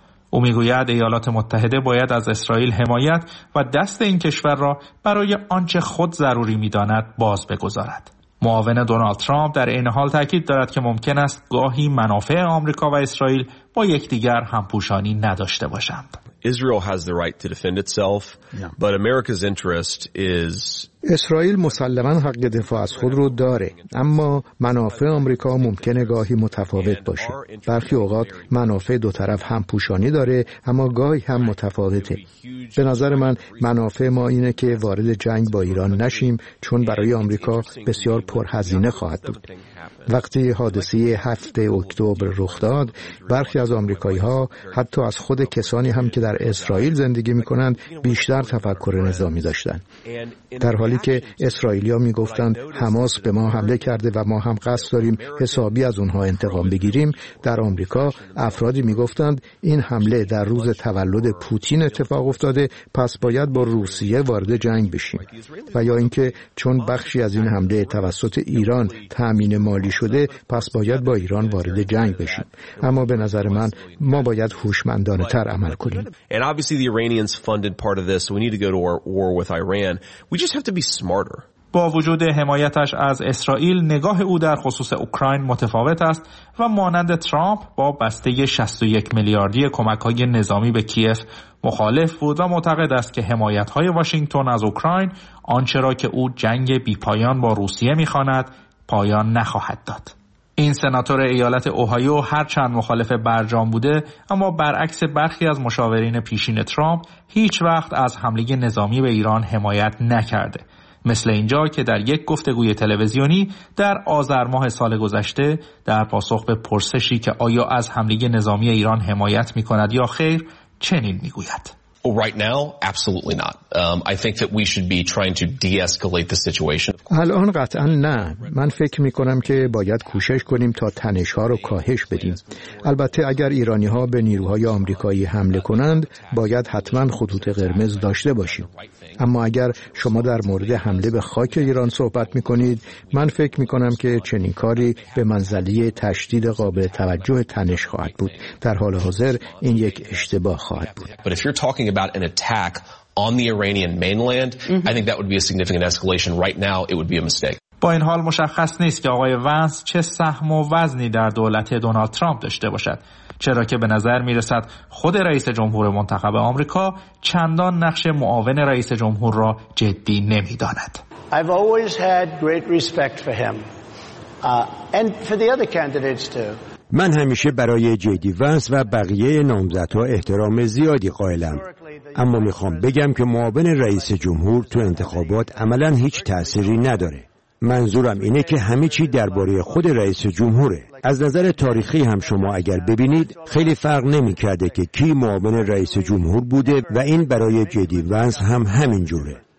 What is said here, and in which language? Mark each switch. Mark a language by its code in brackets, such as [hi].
[fa] او می‌گوید ایالات متحده باید از اسرائیل حمایت و دست این کشور را برای آنچه خود ضروری می‌داند باز بگذارد. معاون دونالد ترامپ در این حال تأکید دارد که ممکن است گاهی منافع آمریکا و اسرائیل با یکدیگر همپوشانی نداشته باشند. [en] Israel has the right to defend itself, but America's interest is [fa] اسرائیل مسلماً حق دفاع از خود رو داره، اما منافع آمریکا ممکنه گاهی متفاوت باشه. برخی اوقات منافع دو طرف هم پوشانی داره، اما گاهی هم متفاوته. به نظر من منافع ما اینه که وارد جنگ با ایران نشیم، چون برای آمریکا بسیار پرهزینه خواهد بود. وقتی حادثه 7 اکتبر رخ داد، برخی از آمریکایی‌ها حتی از خود کسانی هم که در اسرائیل زندگی می‌کنند بیشتر تفکر نظامی داشتند. در حالی که اسرائیلی‌ها می‌گفتند حماس به ما حمله کرده و ما هم قصد داریم حسابی از اونها انتقام بگیریم، در آمریکا افرادی می‌گفتند این حمله در روز تولد پوتین اتفاق افتاده، پس باید با روسیه وارد جنگ بشیم. و یا اینکه چون بخشی از این حمله توسط ایران تأمین مالی شده، پس باید با ایران وارد جنگ بشیم. اما به نظر من ما باید هوشمندانه تر عمل کنیم. [en] And obviously the Iranians funded part of this, so we need to go to our war with Iran. We just have to be smarter. [fa] با وجود حمایتش از اسرائیل، نگاه او در خصوص اوکراین متفاوت است و مانند ترامپ با بسته 61 میلیاردی کمک‌های نظامی به کیف مخالف بود و معتقد است که حمایت‌های واشنگتن از اوکراین آنچه را که او جنگ بی‌پایان با روسیه می‌خواند پایان نخواهد داد. این سناتور ایالت اوهایو هرچند مخالف برجام بوده، اما برعکس برخی از مشاورین پیشین ترامپ هیچ وقت از حمله نظامی به ایران حمایت نکرده مثل اینجا که در یک گفتگوی تلویزیونی در آذر ماه سال گذشته در پاسخ به پرسشی که آیا از حمله نظامی ایران حمایت می‌کند یا خیر چنین می‌گوید. [en] Right now, absolutely not. I think that we should be trying to de-escalate the situation. [fa] الان قطعا نه. من فکر میکنم که باید کوشش کنیم تا تنش‌ها رو کاهش بدیم. البته اگر ایرانی‌ها به نیروهای آمریکایی حمله کنند، باید حتما خطوط قرمز داشته باشیم. اما اگر شما در مورد حمله به خاک ایران صحبت میکنید، من فکر میکنم که چنین کاری به منزله تشدید قابل توجه تنش خواهد بود. در حال حاضر این یک اشتباه خواهد بود. [en] Talking about an attack on the Iranian mainland, I think that would be a significant escalation. Right now, it would be a mistake. [fa] با این حال مشخص نیست که آقای ونس چه سهم و وزنی در دولت دونالد ترامپ داشته باشد، چرا که به نظر می رسد خود رئیس جمهور منتخب آمریکا چندان نقش معاون رئیس جمهور را جدی نمی داند. [en] I've always had great respect for him and for the other candidates too. [fa] من همیشه برای جدی ونس و بقیه نامزدها احترام زیادی قائلم، اما میخوام بگم که معاون رئیس جمهور تو انتخابات عملا هیچ تأثیری نداره. منظورم اینه که همه چی درباره خود رئیس جمهوره. از نظر تاریخی هم شما اگر ببینید خیلی فرق نمیکرده که کی معاون رئیس جمهور بوده، و این برای جدی ونس هم همین جوره.